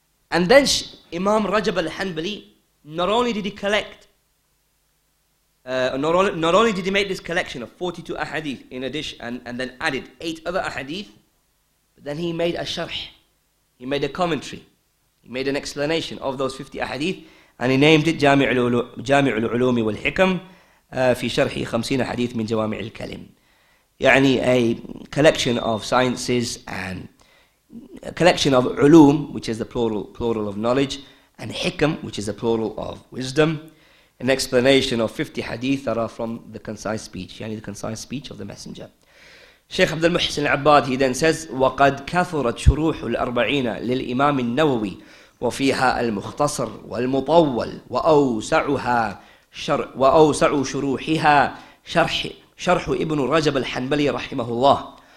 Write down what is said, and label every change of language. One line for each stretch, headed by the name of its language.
English: And then Imam Rajab al-Hanbali, not only did he collect, not only did he make this collection of 42 ahadith in addition and then added 8 other ahadith, but then he made a sharh. He made a commentary. He made an explanation of those 50 ahadith. And he named it
Arabic: جامع العلوم والحكم في شرح 50 حديث من جوامع الكلم. يعني
English: a collection of sciences and a collection of علوم, which is the plural of knowledge, and حكم, which is the plural of wisdom, an explanation of 50 حديث that are from the concise speech, يعني the concise speech of the messenger.
Arabic: شيخ عبد المحسن العباد,
English: he then says,
Arabic: وقد كثرت شروح الأربعين للإمام النووي وفيها المختصر والمطول وأوسعها وأوسع شروحها شرح ابن رجب الحنبلي رحمه الله